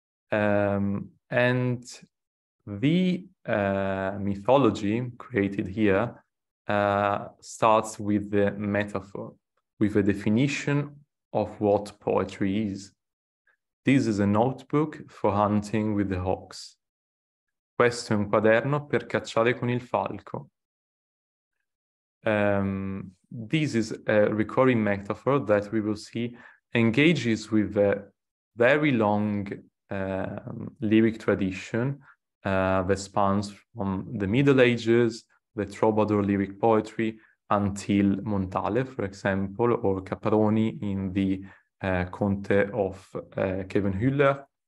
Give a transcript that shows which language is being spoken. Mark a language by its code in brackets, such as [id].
[en] And the mythology created here starts with the metaphor, with a definition of what poetry is. This is a notebook for hunting with the hawks. [it] Questo è un quaderno per cacciare con il falco. [en] This is a recurring metaphor that we will see engages with a very long lyric tradition that spans from the Middle Ages, the troubadour lyric poetry, until Montale, for example, or Caproni in the Conte of Kevin Hüller.